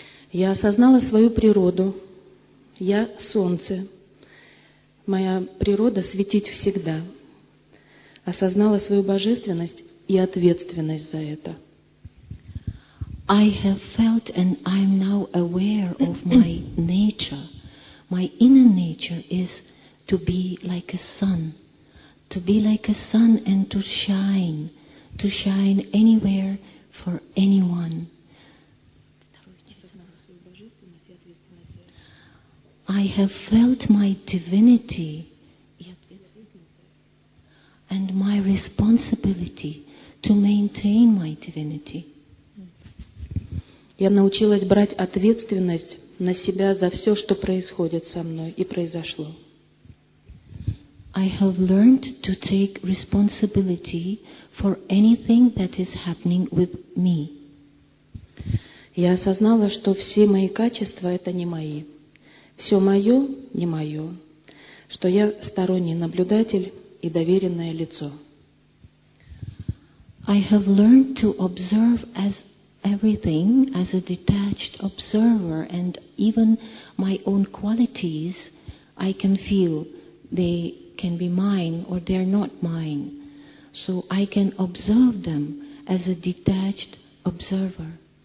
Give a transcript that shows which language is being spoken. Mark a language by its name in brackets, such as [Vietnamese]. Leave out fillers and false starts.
[Russian] Я осознала свою природу. Я солнце. Моя природа светить всегда. Осознала свою божественность и ответственность за это. [English] I have felt and I am now aware of my nature. My inner nature is to be like a sun, to be like a sun and to shine anywhere for anyone. I have felt my divinity and my responsibility to maintain my divinity. [Russian] Я научилась брать ответственность на себя за все, что происходит со мной и произошло. [English] I have learned to take responsibility for anything that is happening with me. [Russian] Я осознала, что все мои качества — это не мои. Все мое — не мое. что я сторонний наблюдатель и доверенное лицо. [English] I have learned to observe as everything as a detached observer, and even my own qualities, I can feel they can be mine or they're not mine. So I can observe them as a detached observer.